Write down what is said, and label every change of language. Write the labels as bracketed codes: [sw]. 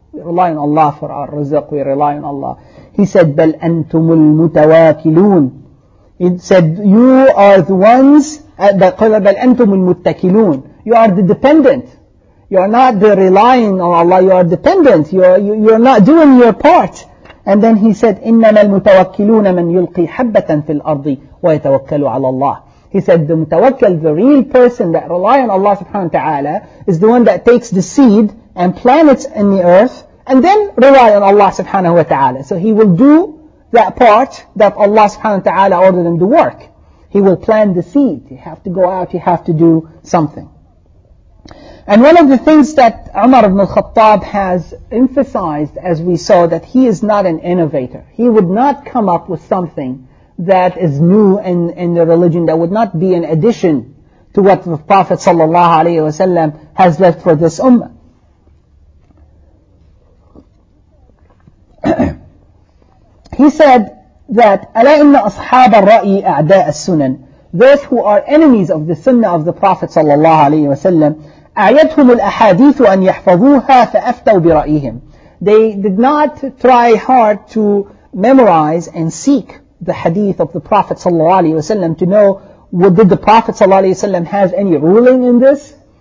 [en] We rely on Allah for our rizq. We rely on Allah." He said, [ar] "Bal antum al-mutawakkilun." [en] He said, "You are the ones." [ar] بَلْ أَنْتُمُ الْمُتَّكِلُونَ. [en] You are the dependent. You are not the relying on Allah. You are dependent. You are not doing your part. And then he said, [ar] إِنَّمَا الْمُتَوَكِّلُونَ مَنْ يُلْقِي حَبَّةً فِي الْأَرْضِ وَيَتَوَكَّلُ عَلَى اللَّهِ. [en] He said, the mutawakkil, the real person that rely on Allah subhanahu wa ta'ala, is the one that takes the seed and plants in the earth and then rely on Allah subhanahu wa ta'ala. So he will do that part that Allah subhanahu wa ta'ala ordered him to work. He will plant the seed. You have to go out, you have to do something. And one of the things that Umar ibn al-Khattab has emphasized, as we saw, that he is not an innovator. He would not come up with something that is new in the religion, that would not be an addition to what the Prophet sallallahu alayhi wa sallam has left for this ummah. He said that [ar] أَلَا إِنَّ أَصْحَابَ الرَّأِيِ أَعْدَاءَ السُّنَنِ. [en] Those who are enemies of the sunnah of the Prophet صلى الله عليه وسلم, [ar] أَعْيَدْهُمُ الْأَحَادِيثُ أَنْ يَحْفَظُوهَا فَأَفْتَوْ بِرَأِيهِمْ. [en] They did not try hard to memorize and seek the hadith of the Prophet صلى الله عليه وسلم to know, well, did the Prophet صلى الله عليه وسلم have any ruling in this?